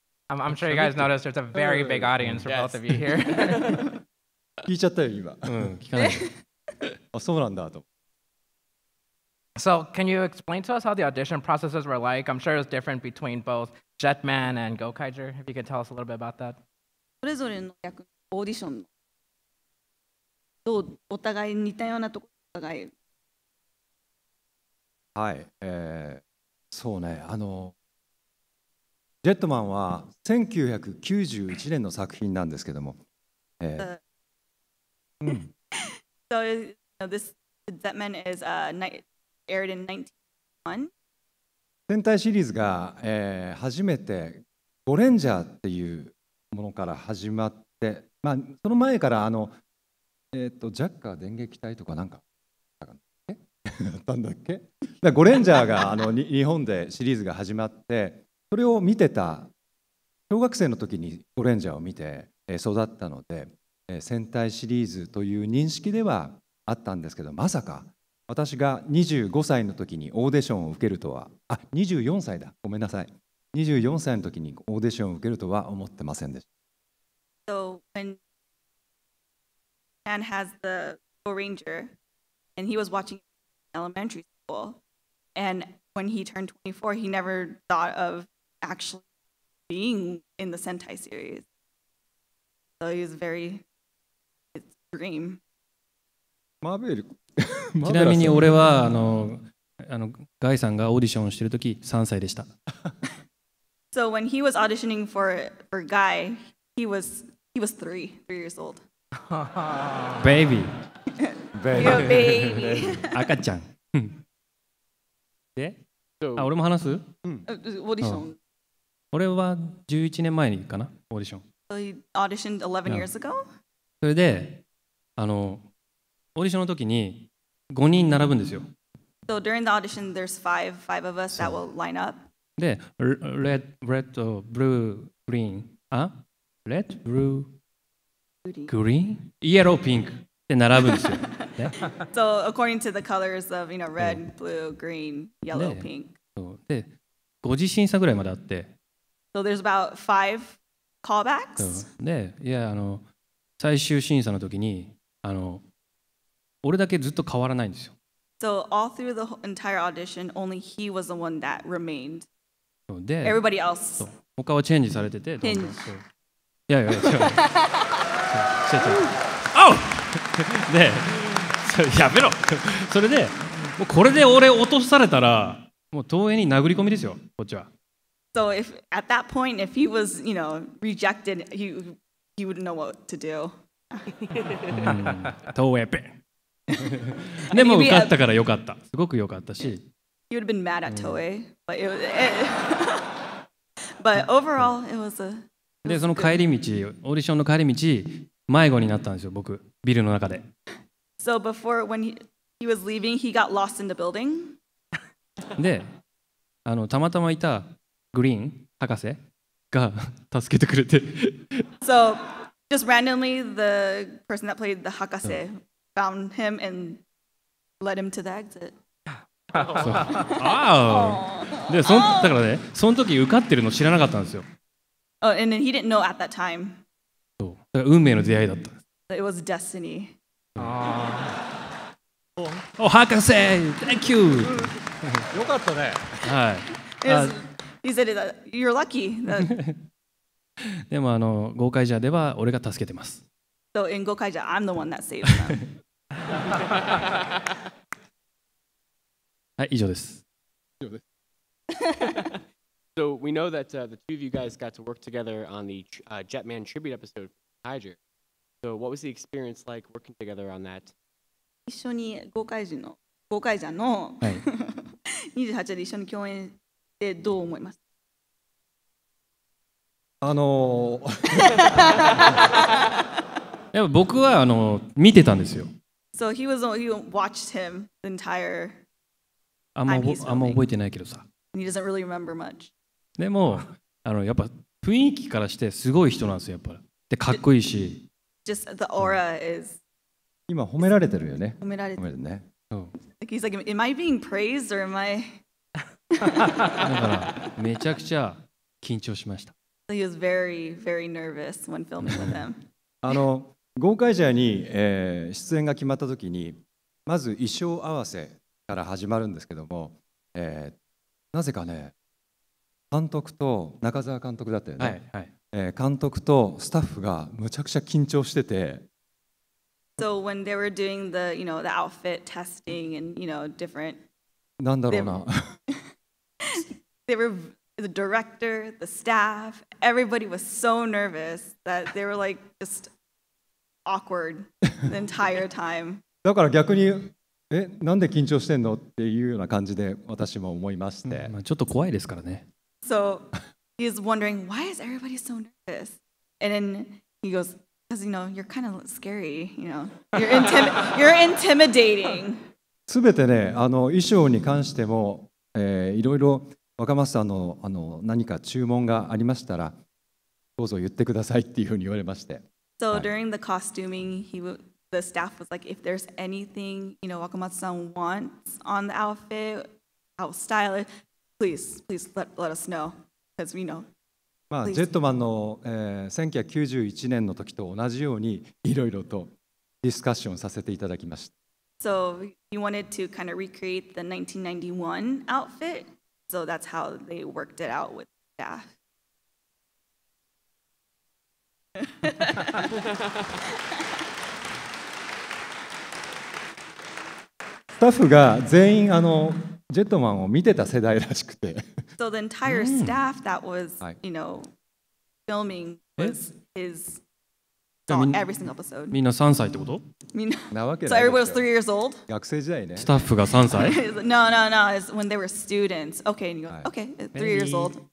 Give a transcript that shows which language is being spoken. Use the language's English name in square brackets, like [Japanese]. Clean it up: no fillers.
[English] I'm sure you guys noticed there's a very big audience for both of you here. [Japanese] 聞いちゃったよ今。うん、聞かない。あ、そうなんだと。 [English] So, can you explain to us how the audition processes were like? I'm sure it was different between both Jetman and Gokaiger. If you could tell us a little bit about that. [Japanese] それぞれの役のオーディションのどうお互い似たようなところお互い。はい、そうね、あのジェットマンは1991年の作品なんですけども、 [English] So you know, this Jetman is aired in 1991. [Japanese] 戦隊シリーズが、初めてゴレンジャーっていうものから始まって、まあその前からあのジャッカー電撃隊とかなんかあったんだっけ？だっけ？だゴレンジャーがあの日本でシリーズが始まって、それを見てた小学生の時にゴレンジャーを見て、育ったので。戦隊シリーズという認識ではあったんですけど、まさか私が25歳の時にオーディションを受けるとは、あ、24歳だ、ごめんなさい。 24歳の時にオーディションを受けるとは思ってませんでした。 [English] So when Dan has the Power Ranger and he was watching elementary school and when he turned 24, he never thought of actually being in the Sentai series. So he was very... [Japanese] マーベル。ちなみに俺はあのガイさんがオーディションをしてるとき3歳でした。 [English] So when he was auditioning for Guy, he was three years old. Baby. Baby. You're a baby. [Japanese] 赤ちゃん。で、あ、俺も話す？オーディション。俺は11年前にかな、オーディション。 [English] So he auditioned 11 years ago? [Japanese] それで、あのオーディションの時に5人並ぶんですよ。 [English] So during the audition, there's five of us that will line up. [Japanese] で、 [English] red, red, blue, green, red, blue, green, yellow, pink [Japanese] で並ぶんですよ。 [English] So according to the colors of, you know, red, blue, green, yellow, pink. [Japanese] で、5次審査ぐらいまであって。 [English] So there's about five callbacks. [Japanese] で、いや、あの最終審査の時に。あの俺だけずっと変わらないんですよ。 [English] So all through the entire audition, only he was the one that remained. [Japanese] で、 [English] everybody else. そう、 [Japanese] 他はチェンジされてて、どんどんそう。いやいや、違う。違う。おう！で、やめろ！それで、もうこれで俺落とされたら、もう東映に殴り込みですよ、こっちは。 [English] So if at that point, if he was, you know, rejected, he wouldn't know what to do. [Japanese] 東映ペン。でも受かったからよかった。すごくよかったし。 [English] You would have been mad at Toei, but it was. But overall, it was a. [Japanese] で、その帰り道、オーディションの帰り道、迷子になったんですよ、僕、ビルの中で。 [English] So before, when he was leaving, he got lost in the building. [Japanese] で、あの、たまたまいたグリーン博士が助けてくれて。 [English] So. Just randomly, the person that played the Hakase found him and led him to the exit. Oh! Oh! Oh! [Japanese] だからね、その時受かってるの知らなかったんですよ。 [English] Oh, and then he didn't know at that time. [Japanese] そう。だから運命の出会いだった。 [English] It was destiny. Oh! Oh, Hakase! Thank you! [Japanese] よかったね。はい。 [English] He said that you're lucky. That... [Japanese] でもあのゴーカイジャーでは俺が助けてます。 [English] So in Gokaiger, I'm the one that saves [Japanese] them. はい、以上です。以上です。 [English] So we know that、the two of you guys got to work together on the、Jetman tribute episode for Gokaiger. So what was the experience like working together on that? [Japanese] 一緒にゴーカイジャーの28で一緒に共演でどう思いますか？あのやっぱ僕はあの見てたんですよ。 [English] So he was he watched him the entire time he's filming. [Japanese] あんま覚えてないけどさ。 [English] He doesn't really remember much. [Japanese] でもあのやっぱ雰囲気からしてすごい人なんですよやっぱり。でかっこいいし。 [English] Just the aura is [Japanese] 今褒められてるよね。褒められてるね。 [English] そう。He's like, am I being praised or am I? [Japanese] だからめちゃくちゃ緊張しました。 [English] So、he was very, very nervous when filming with him. [Japanese] あの、豪快ジャーに、出演が決まった時に、まず衣装合わせから始まるんですけども、なぜかね、監督と中澤監督だったよね。はいはい。監督とスタッフがむちゃくちゃ緊張してて、 [English] So when they were doing the, you know, the outfit testing and, you know, different, [Japanese] なんだろうな、 [English] they were the director, the staff, everybody was so nervous that they were like just awkward the entire time. [Japanese] だから逆に、なんで緊張してんのっていうような感じで私も思いまして、うん、まあ、ちょっと怖いですからね。 [English] So he's wondering why is everybody so nervous, and then he goes. Because, you know, you're kind of scary, you know. You're intimidating. [Japanese] 全てね、あの衣装に関しても、いろいろ若松さんの、あの何か注文がありましたら、どうぞ言ってくださいっていうふうに言われまして。 [English] So、はい、during the costuming, the staff was like, if there's anything, you know, 若松さん wants on the outfit, how style it, please, please let us know. Because, you know, [Japanese] まあ、ジェットマンの、1991年の時と同じようにいろいろとディスカッションさせていただきました。 [English] So you wanted to kind of recreate the 1991 outfit, so that's how they worked it out with staff. [Japanese] スタッフが全員あのジェットマンを見てた世代らしくて。 [English] So the entire staff that was, you know, filming was his saw every single episode. [Japanese] みんな3歳ってこと？ [English] みんな。So everybody was 3 years old? [Japanese] 学生時代ね。スタッフが3歳？ [English] No, no, no. It's when they were students. Okay, and you go, okay, 3 years old.